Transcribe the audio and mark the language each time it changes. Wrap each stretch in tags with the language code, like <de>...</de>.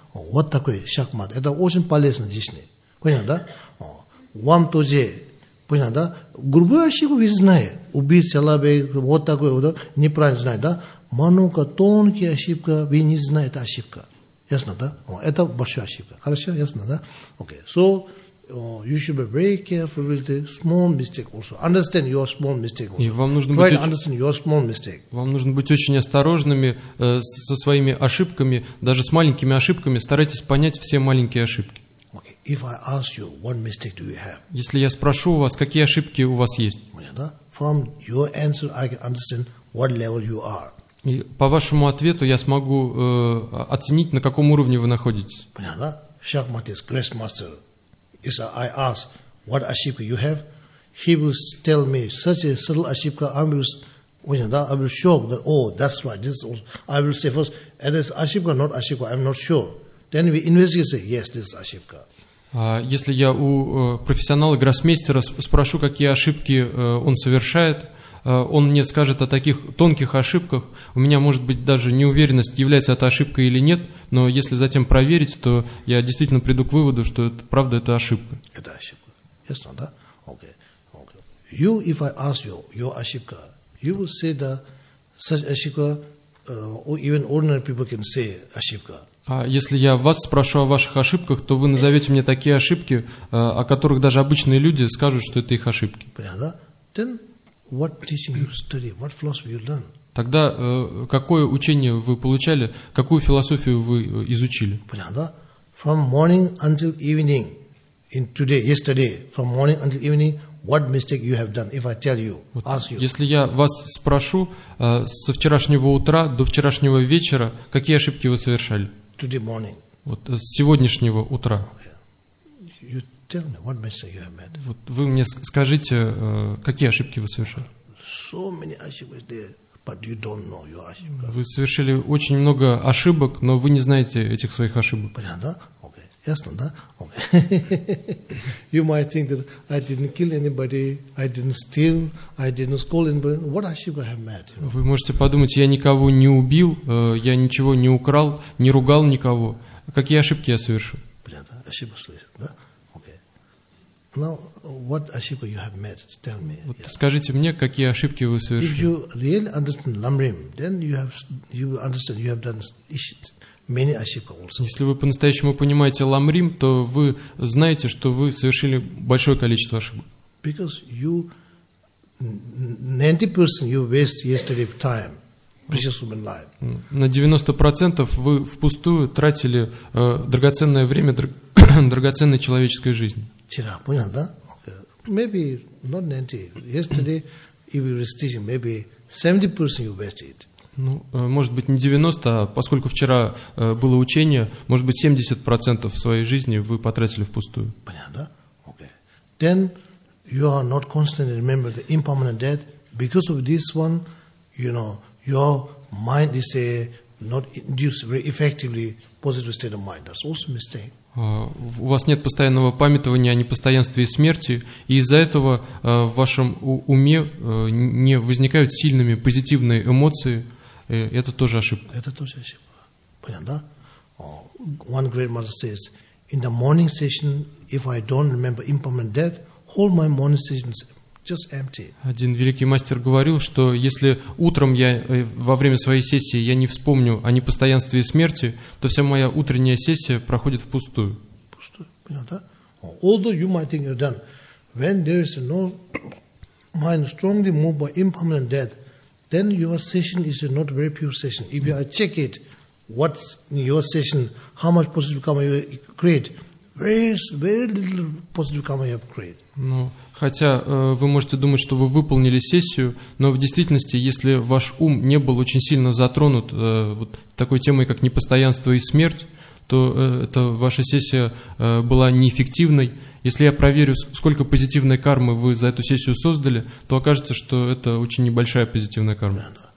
<ru>Вот такой шахмат. Это очень полезно здесь. Понятно, да? Вам тоже. Понятно, да? Грубую ошибку вы знаете. Убить человека, вот такой, вот, неправильно знает, да? Много тонкая ошибка, вы не знаете, это ошибка. Ясно, да? Это большая ошибка. Хорошо, ясно, да?</ru> <en>Okay, so you should be very careful with the small mistake also. Understand your small mistake also.</en> <ru>Вам нужно быть очень осторожными со своими ошибками, даже с маленькими ошибками. Старайтесь понять все маленькие ошибки.</ru> <en>Okay, if I ask you, what mistake do you have?</en> <ru>Если я спрошу у вас, какие ошибки у вас есть? Понятно, да?</ru> <en>From your answer, I can understand what level you are.</en> <ru>И по вашему ответу я смогу оценить, на каком уровне вы находитесь. Понятно, да? Шахматист, грандмастер,</ru> <en>если I ask what ошибка you have, he will tell me such a subtle ошибка, I will shock that, oh, that's right, this is, I will say first, it is ошибка, not ошибка, I'm not sure. Then we investigate, say, yes, this is ошибка.</en> <ru>Если я у профессионала, гроссмейстера спрошу, какие ошибки он совершает, он мне скажет о таких тонких ошибках. У меня может быть даже неуверенность, является это ошибкой или нет, но если затем проверить, то я действительно приду к выводу, что это, правда, это ошибка. Это ошибка. Ясно, да? Okay. Okay.</ru> <en>You, if I ask you, your ошибка, you will say that such ошибка, even ordinary people can say ошибка.</en> <ru>А если я вас спрошу о ваших ошибках, то вы назовете мне такие ошибки, о которых даже обычные люди скажут, что это их ошибки. Понятно, да?</ru> <en>Then what teaching you study? What philosophy you learn?</en> <ru>Тогда какое учение вы получали? Какую философию вы изучили? Понятно, да?</ru> <en>From morning until evening, in today, yesterday, from morning until evening, what mistake you have done? If I tell you, ask you.</en> <ru>Если я вас спрошу со вчерашнего утра до вчерашнего вечера, какие ошибки вы совершали?</ru> <en>Today morning.</en> <ru>Вот с сегодняшнего утра.</ru> <en>Tell me what mistake you have made.</en> <ru>Вот вы мне скажите, какие ошибки вы совершили?</ru> <en>So many ошибки there, but you don't know your ошибки.</en> <ru>Вы совершили очень много ошибок, но вы не знаете этих своих ошибок. Понятно, да? Okay. Ясно, да? Okay.</ru> <en>You might think that I didn't kill anybody, I didn't steal, I didn't scold anybody. What ошибки I have made? You know?</en> <ru>Вы можете подумать, я никого не убил, я ничего не украл, не ругал никого. Какие ошибки я совершил? Понятно, ошибки слышал, да?</ru> <en>Now, what ошибка you have made? Tell me. Вот yeah.</en> <ru>Скажите мне, какие ошибки вы совершили.</ru> <en>If you really understand Lamrim, then you will understand you have done many ошибки also.</en> <ru>Если вы по-настоящему понимаете Ламрим, то вы знаете, что вы совершили большое количество ошибок.</ru> <en>Because you 90% you waste yesterday time.</en> <ru>На 90% вы впустую тратили драгоценное время драгоценной человеческой жизни. Вчера, понял, да? Okay.</ru> <en>Maybe not 90. Yesterday, if you were teaching, maybe 70% you wasted.</en> <ru>Ну, может быть, не 90, а поскольку вчера было учение, может быть, 70% своей жизни вы потратили впустую. Понятно, да? Okay.</ru> <en>Then you are not constantly remembering the impermanent death. Because of this one, you know, your mind is a not induced very effectively positive state of mind. That's also a mistake.</en> <ru>У вас нет постоянного памятования о непостоянстве и смерти, и из-за этого в вашем уме не возникают сильными позитивные эмоции. Это тоже ошибка. Это тоже ошибка. Понятно, да?</ru> <en>One great master says, in the morning session, if I don't remember impermanent death, whole my morning session is just empty.</en> <ru>Один великий мастер говорил, что если утром я во время своей сессии я не вспомню о непостоянстве и смерти, то вся моя утренняя сессия проходит впустую. Пустую. Понятно, да?</ru> <en>Although you might think you're done, when there is no mind strongly moved by impermanent death, then your session is not a very pure session. If you check it, what's in your session, how much positive karma you create, very, very little positive karma you have created.</en> <ru>Ну, хотя вы можете думать, что вы выполнили сессию, но в действительности, если ваш ум не был очень сильно затронут вот такой темой, как непостоянство и смерть, то эта ваша сессия была неэффективной. Если я проверю, сколько позитивной кармы вы за эту сессию создали, то окажется, что это очень небольшая позитивная карма.</ru>